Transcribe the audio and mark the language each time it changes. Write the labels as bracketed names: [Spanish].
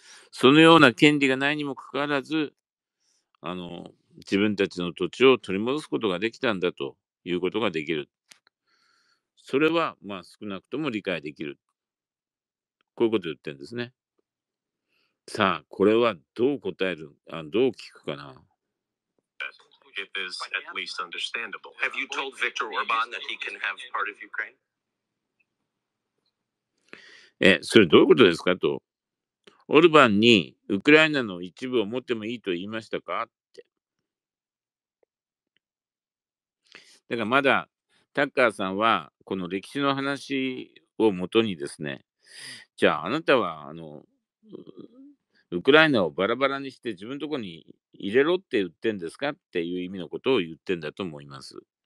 [Japanese] そのような権利がないにもかかわらず、あの、自分たちの土地を取り戻すことができたんだということができる。それは、まあ、少なくとも理解できる。こういうこと言ってるんですね。さあ、これはどう答える、あ、どう聞くかな。 [English] It is at least understandable. Have you told Viktor Orban that he can have part of Ukraine? [Japanese] え、それどういうことですかと。オルバンにウクライナの一部を持ってもいいと言いましたかって。だからまだタッカーさんはこの歴史の話をもとにですね、じゃああなたはあのウクライナをバラバラにして自分のところに入れろって言ってんですかっていう意味のことを言ってんだと思います。